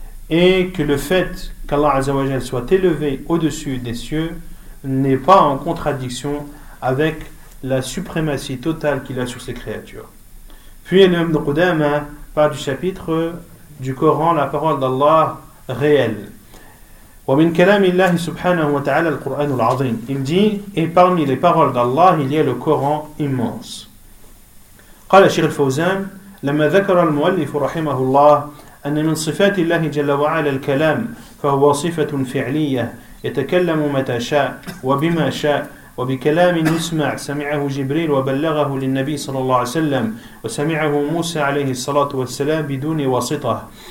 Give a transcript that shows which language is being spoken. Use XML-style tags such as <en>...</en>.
<fr>Et que le fait qu'Allah azzawajal soit élevé au-dessus des cieux n'est pas en contradiction avec la suprématie totale qu'il a sur ses créatures. Puis l'imam de Qudama parle du chapitre du Coran, la parole d'Allah réelle.</fr> <ar>ومن كلام الله سبحانه وتعالى القرآن العظيم.</ar> <fr>Il dit, et parmi les paroles d'Allah, il y a le Coran immense.</fr> <ar>قال شيخ الفوزان لما ذكر المؤلف رحمه الله أن من صفات الله جل وعلا الكلام فهو صفة فعلية يتكلم متى شاء وبما شاء وبكلام يسمع سمعه جبريل وبلغه للنبي صلى الله عليه وسلم وسمعه موسى عليه الصلاة والسلام بدون واسطة</ar>